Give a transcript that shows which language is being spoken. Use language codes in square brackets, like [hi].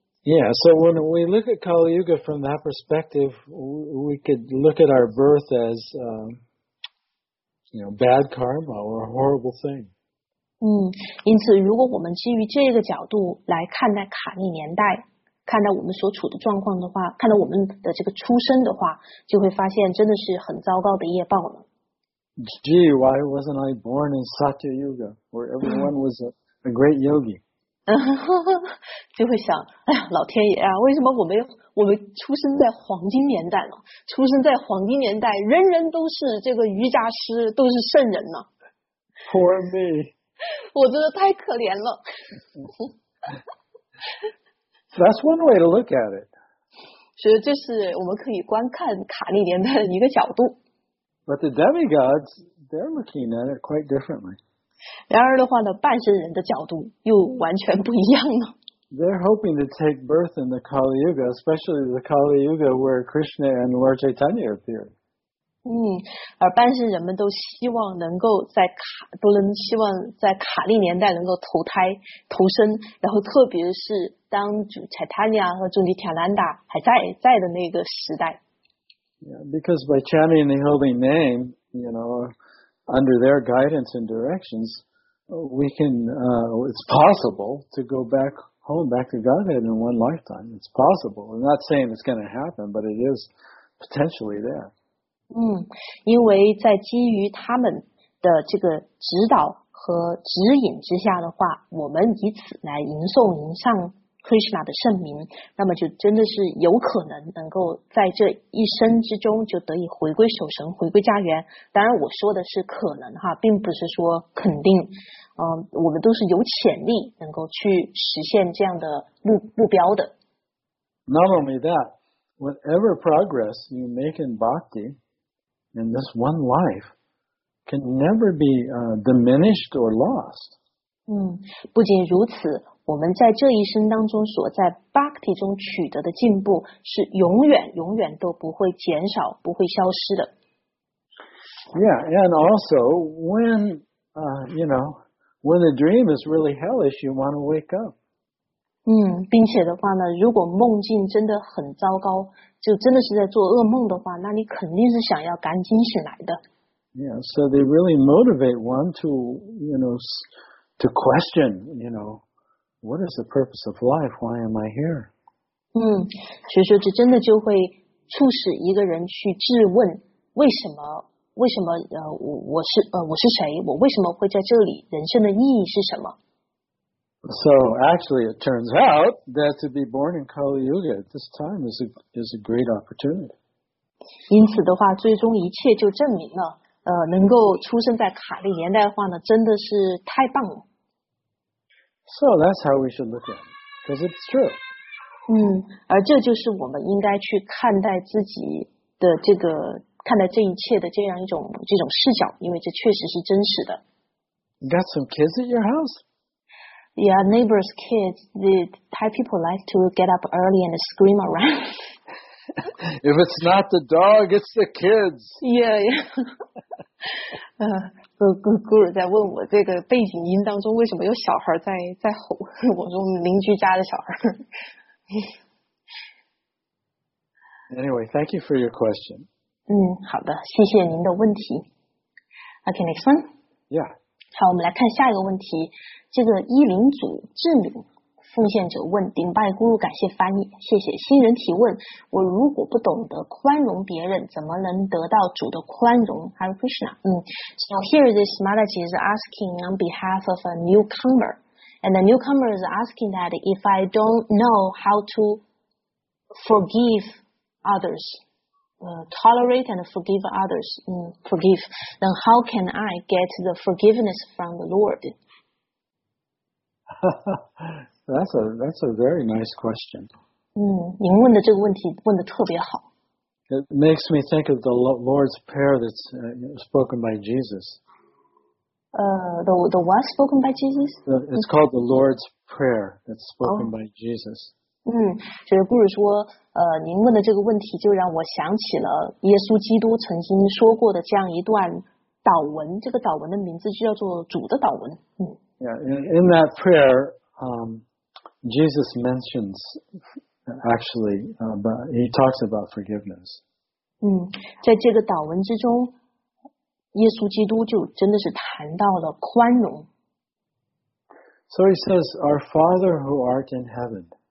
[en] Yeah, so when we look at Kali Yuga from that perspective, we could look at our birth as, bad karma or a horrible thing. [zh] 因此如果我们基于这个角度来看待卡利年代，看待我们所处的状况的话，看到我们的这个出生的话，就会发现真的是很糟糕的业报了。 [en] Gee, why wasn't I born in Satya Yuga, where everyone was a great yogi? [zh] 就会想，哎呀，老天爷啊，为什么我们出生在黄金年代呢？出生在黄金年代，人人都是这个瑜伽师，都是圣人呢。 [en] Poor me. [zh] 我真的太可怜了。 [en] That's one way to look at it. [zh] 所以这是我们可以观看卡利年代的一个角度。 [en] But the demigods, they're looking at it quite differently. [zh] 然而的话呢，半神人的角度又完全不一样了。 [en] They're hoping to take birth in the Kali Yuga, especially the Kali Yuga where Krishna and Lord Chaitanya appeared. [zh] 而半神人们都希望能够在卡利年代能够投胎投生，然后特别是当主 Chaitanya 和主尼塔兰达还在的那个时代。 [en] Yeah, because by chanting the holy name, you know, under their guidance and directions, we can, it's possible to go back home, back to Godhead in one lifetime. It's possible. I'm not saying it's going to happen, but it is potentially there. [zh] 因为在基于他们的这个指导和指引之下的话，我们以此来吟诵吟唱Krishna 的圣名，那么就真的是有可能能够在这一生之中就得以回归守神，回归家园。当然我说的是可能哈，并不是说肯定，我们都是有潜力能够去实现这样的目标的。 [en] Not only that, whatever progress you make in bhakti in this one life can never be diminished or lost. [zh] 不仅如此，我们在这一生当中所在 Bhakti 中取得的进步是永远永远都不会减少，不会消失的。 [en] Yeah, and also when, when the dream is really hellish, you want to wake up. [zh] 并且的话呢，如果梦境真的很糟糕，就真的是在做噩梦的话，那你肯定是想要赶紧醒来的。 [en] Yeah, so they really motivate one to, you know, to question, you know,What is the purpose of life? Why am I here? [zh] 所以说这真的就会促使一个人去质问为什么我是谁，我为什么会在这里，人生的意义是什么。 [en] So actually, it turns out that to be born in Kali Yuga at this time is a great opportunity. [zh] 因此的话，最终一切就证明了，能够出生在卡利年代的话呢，真的是太棒了。 [en] So that's how we should look at it, because it's true. [zh] 嗯，而这就是我们应该去看待自己的这个看待这一切的这样一种这种视角，因为这确实是真实的。 [en] You got some kids at your house? Yeah, neighbor's kids, the Thai people like to get up early and scream around. If it's not the dog, it's the kids. Yeah, yeah. [zh] Guru 在问我这个背景音当中为什么有小孩在吼，我说邻居家的小孩。 [en] Anyway, thank you for your question. [zh] 嗯，好的，谢谢您的问题。 [en] Okay, next one. Yeah. [zh] 好，我们来看下一个问题。这个一灵祖智敏奉献者问：顶拜咕噜，感谢翻译，谢谢。新人提问：我如果不懂得宽容别人，怎么能得到主的宽容 ？Hare Krishna。 [en] So here this Mataji is asking on behalf of a newcomer, and the newcomer is asking that if I don't know how to forgive others. Tolerate and forgive others, forgive, then how can I get the forgiveness from the Lord? that's a very nice question. 嗯，您问的这个问题问得特别好。 It makes me think of the Lord's prayer that's spoken by Jesus. The what spoken by Jesus? It's called the Lord's Prayer that's spoken by Jesus. [zh] 嗯，就是故事说，您问的这个问题就让我想起了耶稣基督曾经说过的这样一段祷文。这个祷文的名字就叫做主的祷文。嗯 [en] yeah, in that prayer, Jesus mentions actually, but he talks about forgiveness. [zh] 嗯，在这个祷文之中，耶稣基督就真的是谈到了宽容。 [en] So he says, "Our Father who art in heaven."